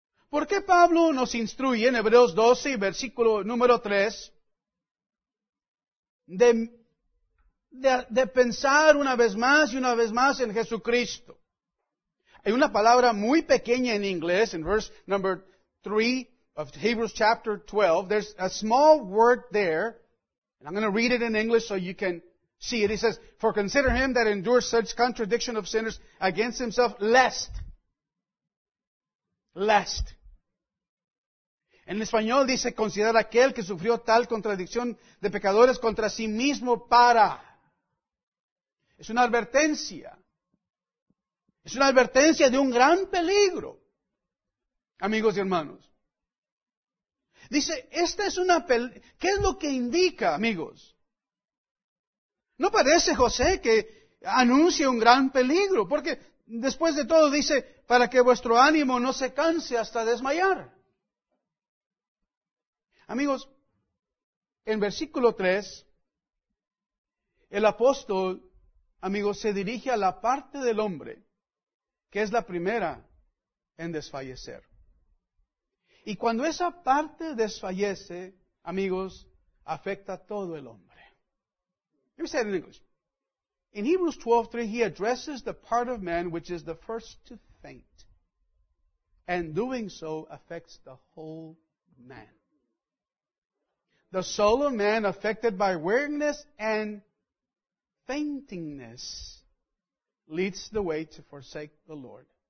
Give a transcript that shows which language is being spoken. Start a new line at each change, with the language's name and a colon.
Spanish: ¿Por qué Pablo nos instruye en Hebreos 12 y versículo número 3 de pensar una vez más en Jesucristo? Hay una palabra muy pequeña en inglés, en
English: verse number 3 of Hebrews chapter 12. There's a small word there, and I'm going to read it in English so you can see it. He says, for consider him that endures such contradiction of sinners against himself, lest.
Spanish: En español dice, considera aquel que sufrió tal contradicción de pecadores contra sí mismo para. Es una advertencia. Es una advertencia de un gran peligro. Amigos y hermanos. Dice, esta es una peligro. ¿Qué es lo que indica, amigos? No parece José que anuncie un gran peligro, porque después de todo dice, para que vuestro ánimo no se canse hasta desmayar. Amigos, en versículo 3, el apóstol, amigos, se dirige a la parte del hombre que es la primera en desfallecer. Y cuando esa parte desfallece, amigos, afecta a todo el hombre.
English: Let me say it in English. In Hebrews 12:3, he addresses the part of man which is the first to faint. And doing so affects the whole man. The soul of man affected by weariness and faintingness leads the way to forsake the Lord.